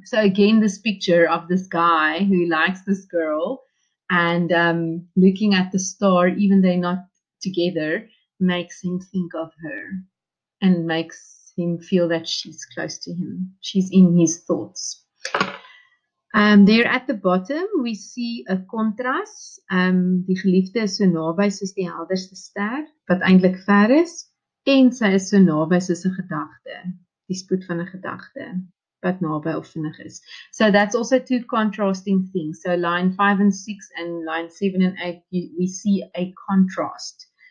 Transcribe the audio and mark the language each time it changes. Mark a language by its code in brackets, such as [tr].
[en] So again, this picture of this guy who likes this girl and looking at the star, even though not together, makes him think of her and makes him feel that she's close to him. She's in his thoughts. There at the bottom, we see a contrast. [af] Die geliefde is so naby soos die helderste ster, wat eintlik ver is, en sy is so naby soos 'n gedagte, die spoed van 'n gedagte, wat naby of vinnig is. [en] So that's also two contrasting things. So line 5 and 6 and line 7 and 8, we see a contrast.